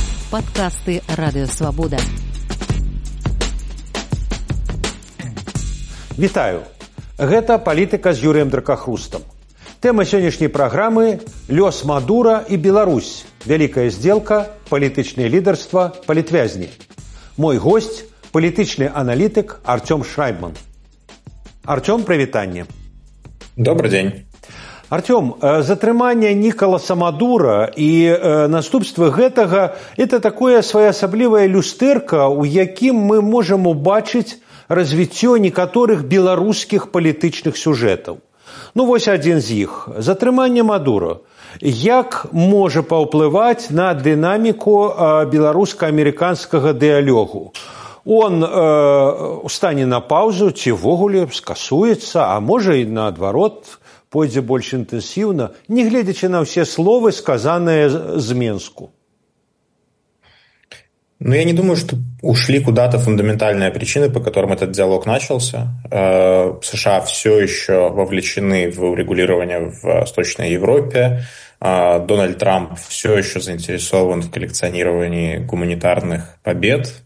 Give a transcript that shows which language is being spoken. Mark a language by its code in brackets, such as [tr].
[ru] подкасты «Радио Свобода». [be] Вітаю! Гэта «Палітыка» з Юрыем Дракахрустам. Тема сённяшняй праграмы – лёс Мадура і Беларусь. Вялікая здзелка, палітычнае лідарства, палітвязні. Мой госць – палітычны аналітык Артём Шрайбман. Артём, прывітанне. Добры дзень. Артём, затрыманне Ніколаса Мадура і наступствы гэтага – [ru] это такое [be] своеасаблівая люстэрка, у якім мы можам убачыць развіццё некаторых беларускіх палітычных сюжэтаў. Ну, вось адзін з іх. Затрыманне Мадура. Як можа паўплываць на дынаміку беларуска-амерыканскага дыялогу? Он стане на паўзу ці ўвогуле скасуецца, а можа і наадварот пойдзе больш інтэнсіўна, не гледзячы на ўсе словы, сказаныя з Мінску. [ru] Ну, я не думаю, что ушли куда-то фундаментальные причины, по которым этот диалог начался. США все еще вовлечены в урегулирование в Восточной Европе. Дональд Трамп все еще заинтересован в коллекционировании гуманитарных побед.